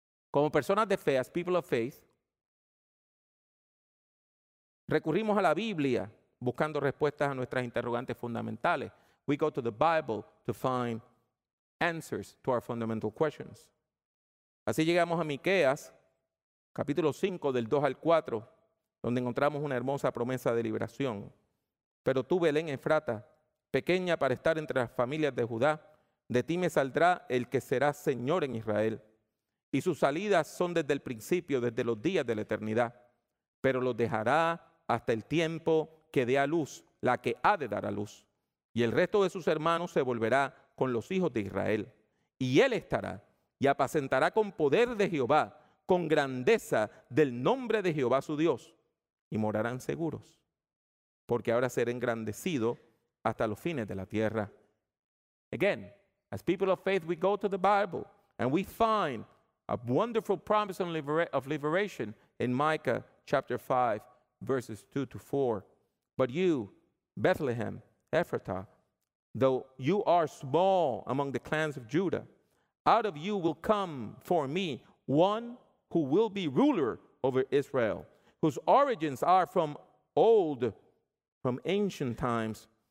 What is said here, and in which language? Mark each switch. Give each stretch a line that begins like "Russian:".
Spanish: Como personas de fe,
English: as people of faith,
Spanish: recurrimos a la Biblia buscando respuestas a nuestras interrogantes fundamentales.
English: We go to the Bible to find answers to our fundamental questions.
Spanish: Así llegamos a Miqueas, capítulo 5, del 2 al 4, donde encontramos una hermosa promesa de liberación. Pero tú, Belén Efrata, pequeña para estar entre las familias de Judá, de ti me saldrá el que será Señor en Israel. Y sus salidas son desde el principio, desde los días de la eternidad. Pero los dejará hasta el tiempo que dé a luz, la que ha de dar a luz. Y el resto de sus hermanos se volverá con los hijos de Israel. Y él estará y apacentará con poder de Jehová, con grandeza del nombre de Jehová su Dios. Y morarán seguros, porque ahora será engrandecido hasta los fines de la tierra.
English: Again, as people of faith, we go to the Bible and we find a wonderful promise of liberation in Micah chapter 5, verses 2 to 4. But you, Bethlehem, Ephrathah, though you are small among the clans of Judah, out of you will come for me one who will be ruler over Israel, whose origins are from old, from ancient times.